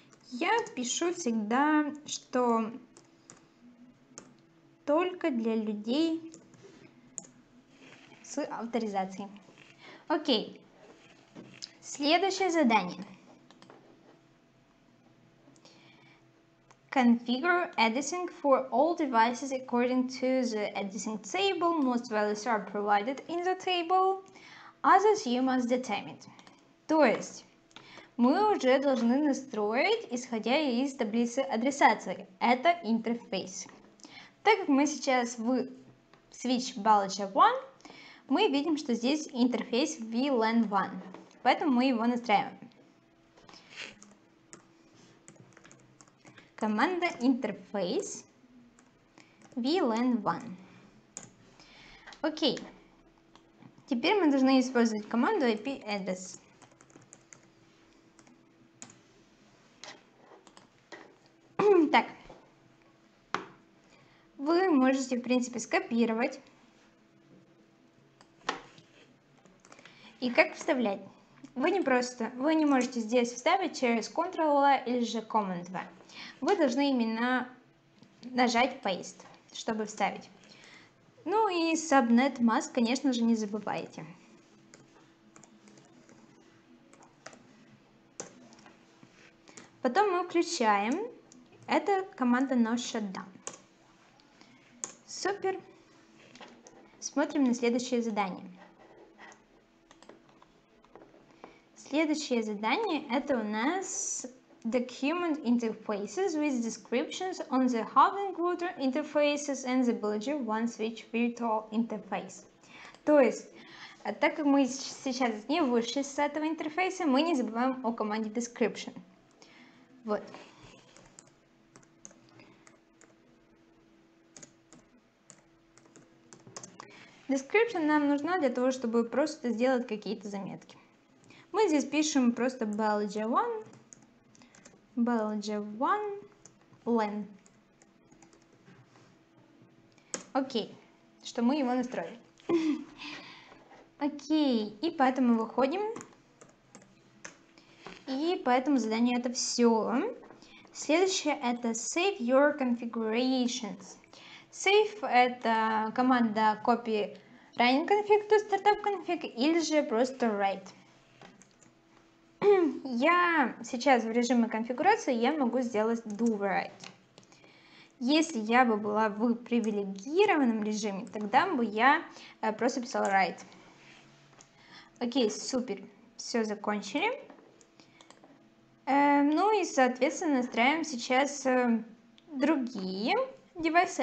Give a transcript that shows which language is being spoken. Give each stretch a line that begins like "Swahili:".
Russian: Я пишу всегда, что только для людей с авторизацией. Окей, следующее задание.
English: Configure addressing for all devices according to the addressing table. Most values are provided in the table. Others you must determine.
Russian: То есть, мы уже должны настроить, исходя из таблицы адресации. Это интерфейс. Так как мы сейчас в Switch BLG1, мы видим, что здесь интерфейс VLAN1, поэтому мы его настраиваем. Команда Interface VLAN1. Окей, теперь мы должны использовать команду IP Address. Так, вы можете, в принципе, скопировать и как вставлять? Вы не можете здесь вставить через Ctrl или же Command V. Вы должны именно нажать Paste, чтобы вставить. Ну и Subnet Mask, конечно же, не забывайте. Потом мы включаем. Это команда No Shutdown. Супер. Смотрим на следующее задание. Следующее задание — это у нас
English: Document Interfaces with Descriptions on the Hubbing Router Interfaces and the BLG1 Switch Virtual Interface.
Russian: То есть, так как мы сейчас не вышли с этого интерфейса, мы не забываем о команде Description. Вот. Description нам нужна для того, чтобы просто сделать какие-то заметки. Мы здесь пишем просто Belgian one len. Окей, что мы его настроили. Окей, и поэтому выходим. И по этому заданию это все. Следующее это
English: save your configurations.
Russian: Save это команда copy running config to startup config или же просто write. Я сейчас в режиме конфигурации, я могу сделать do write. Если я бы была в привилегированном режиме, тогда бы я просто писала write. Окей, супер, все закончили. Ну и, соответственно, настраиваем сейчас другие девайсы.